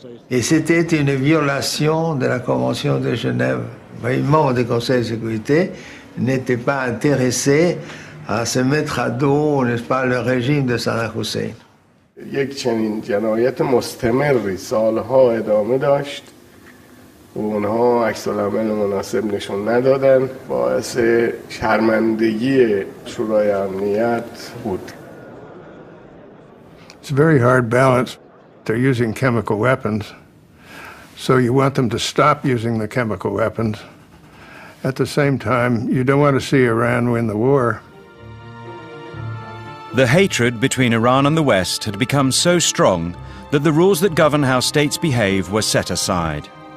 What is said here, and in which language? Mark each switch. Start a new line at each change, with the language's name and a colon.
French: Et c'était une violation de la Convention de Genève. Les membres du Conseil de sécurité n'étaient pas intéressés à se mettre à dos, n'est-ce pas, le régime de Saddam Hussein.
Persian: یک چنین جنایت مستمری سالها ادامه داشت و اونها عکس العمل مناسب نشون ندادن باعث شرمندگی شورای امنیت بود.
English: It's a very hard balance. They're using chemical weapons, so you want them to stop using the chemical weapons. At the same time, you don't want to see Iran win the war. The hatred between Iran and the West had become so strong that the rules that govern how states behave were set aside.